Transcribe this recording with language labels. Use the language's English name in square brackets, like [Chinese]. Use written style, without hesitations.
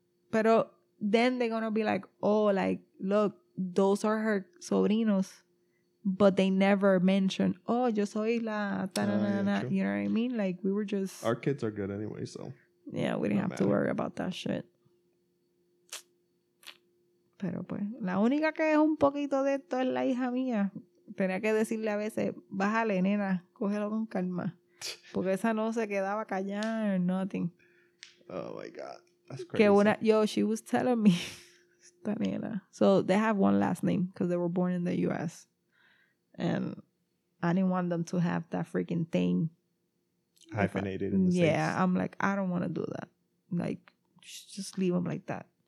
[English] Pero then they're going to be like, oh, like, look, those are her sobrinos. But they never mentioned, oh, [Spanish] yo soy la [English] ta-na-na-na. You know what I mean? Like, we were just. Our kids are good anyway, so. Yeah, we didn't have to worry about that shit. [Spanish] Pero pues, la única que es un poquito de esto es la hija mía. Tenía que decirle a veces, bájale, nena, cógelo con calma. Porque esa no se quedaba callada [English] or nothing. Oh, my God. That's crazy. Que una, yo, she was telling me, [Spanish] esta nena. [English] So, they have one last name because they were born in the U.S. And I didn't want them to have that freaking thing. Hyphenated in the States. Yeah, I'm like, I don't want to do that. Like, just leave them like that.